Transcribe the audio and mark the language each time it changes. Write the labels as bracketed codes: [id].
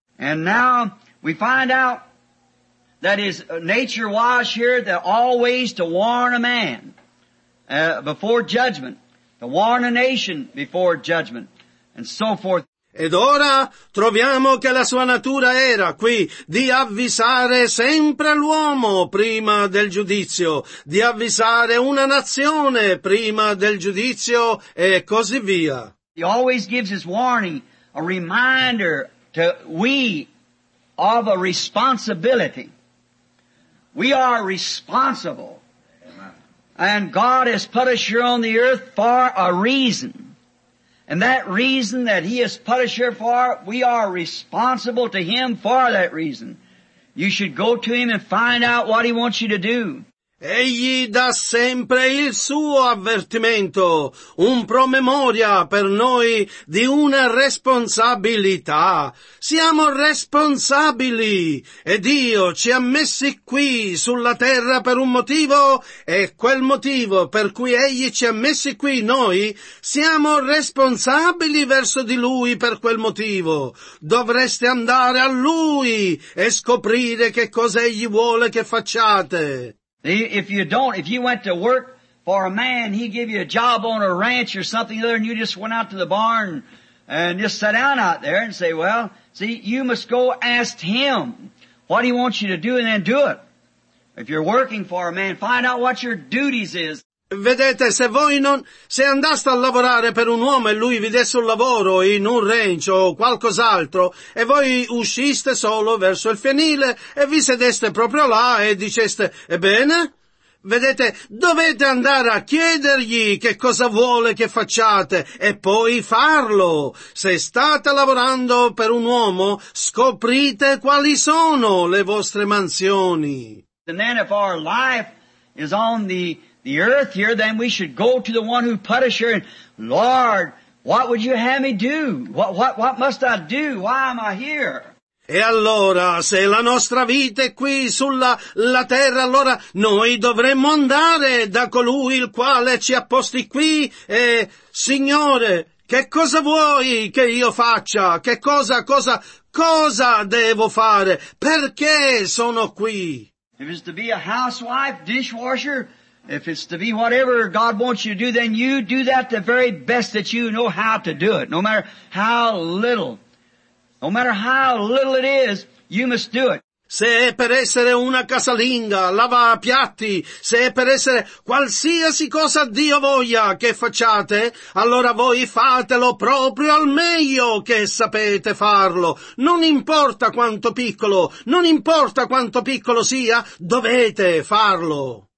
[en] And now we find out that his nature was here that always to warn a man. Before judgment, to warn a nation before judgment, and so forth. [it] Ed ora troviamo che la sua natura era qui di avvisare sempre l'uomo prima del giudizio, di avvisare una nazione prima del giudizio, e così via. [en] He always gives his warning, a reminder to we of a responsibility. We are responsible. And God has put us here on the earth for a reason. And that reason that He has put us here for, we are responsible to Him for that reason. You should go to Him and find out what He wants you to do. [it] Egli dà sempre il suo avvertimento, un promemoria per noi di una responsabilità. Siamo responsabili e Dio ci ha messi qui sulla terra per un motivo e quel motivo per cui Egli ci ha messi qui noi, siamo responsabili verso di Lui per quel motivo. Dovreste andare a Lui e scoprire che cosa Egli vuole che facciate. [en] If you went to work for a man, he'd give you a job on a ranch or something other, and you just went out to the barn and just sat down out there and say, well, see, you must go ask him what he wants you to do and then do it. If you're working for a man, find out what your duties is. [it] Vedete, se andaste a lavorare per un uomo e lui vi desse un lavoro in un ranch o qualcos'altro, e voi usciste solo verso il fienile e vi sedeste proprio là e diceste, ebbene, vedete, dovete andare a chiedergli che cosa vuole che facciate e poi farlo. Se state lavorando per un uomo, scoprite quali sono le vostre mansioni. [en] And then if our life is on the earth here, then we should go to the one who put us here and, Lord, what would you have me do? What must I do? Why am I here? [it] E allora, se la nostra vita è qui sulla terra, allora noi dovremmo andare da colui il quale ci ha posti qui e, Signore, che cosa vuoi che io faccia? Che cosa devo fare? Perché sono qui? [en] If it's to be a housewife, dishwasher, if it's to be whatever God wants you to do, then you do that the very best that you know how to do it. No matter how little. No matter how little it is, you must do it. [it] Se è per essere una casalinga, lavapiatti, se è per essere qualsiasi cosa Dio voglia che facciate, allora voi fatelo proprio al meglio che sapete farlo. Non importa quanto piccolo, non importa quanto piccolo sia, dovete farlo.